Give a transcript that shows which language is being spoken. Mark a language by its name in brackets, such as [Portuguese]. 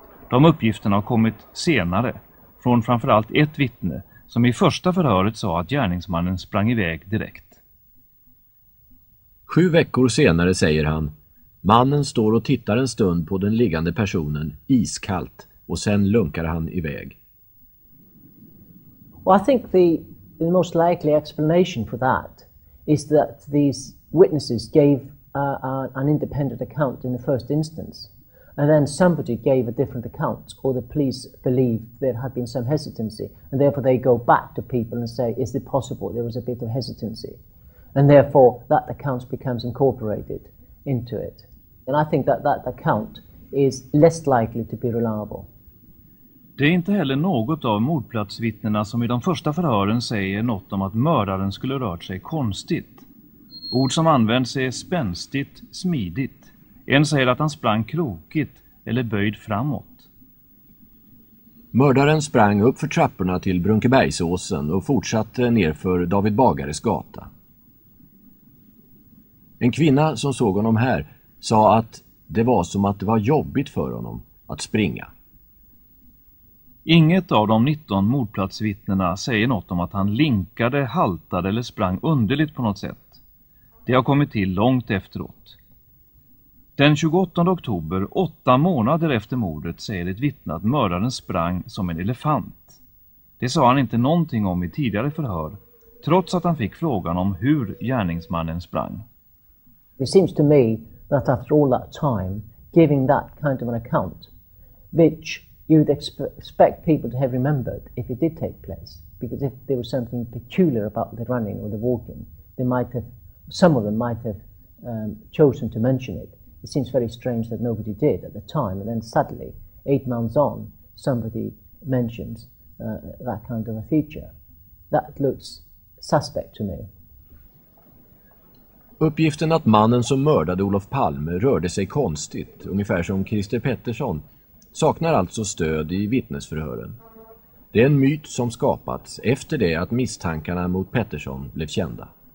[Swedish] De uppgifterna har kommit senare från framförallt ett vittne som i första förhöret sa att gärningsmannen sprang iväg direkt. 7 veckor senare säger han, mannen står och tittar en stund på den liggande personen, iskallt, och sen lunkar han iväg. [English] Well, I think the most likely explanation for that is that these witnesses gave an independent account in the first instance, and then somebody gave a different account, or the police believed there had been some hesitancy, and therefore they go back to people and say, is it possible there was a bit of hesitancy? And therefore that account becomes incorporated into it. And I think that account is less likely to be reliable. [Swedish] Det är inte heller något av mordplatsvittnena som i de första förhören säger något om att mördaren skulle rört sig konstigt. Ord som används är spänstigt, smidigt. En säger att han sprang krokigt eller böjd framåt. Mördaren sprang upp för trapporna till Brunkebergsåsen och fortsatte nerför David Bagares gata. En kvinna som såg honom här sa att det var som att det var jobbigt för honom att springa. Inget av de 19 mordplatsvittnena säger något om att han linkade, haltade eller sprang underligt på något sätt. Det har kommit till långt efteråt. Den 28 oktober, 8 månader efter mordet, säger ett vittne att mördaren sprang som en elefant. Det sa han inte någonting om i tidigare förhör, trots att han fick frågan om hur gärningsmannen sprang. [English] It seems to me that after all that time, giving that kind of an account, which you'd expect people to have remembered if it did take place, because if there was something peculiar about the running or the walking, some of them might have chosen to mention it. It seems very strange that nobody did at the time, and then suddenly, 8 months on, somebody mentions that kind of a feature. That looks suspect to me. [Swedish] Uppgiften att mannen som mördade Olof Palme rörde sig konstigt, ungefär som Christer Pettersson, saknar alltså stöd i vittnesförhören. Det är en myt som skapats efter det att misstankarna mot Pettersson blev kända.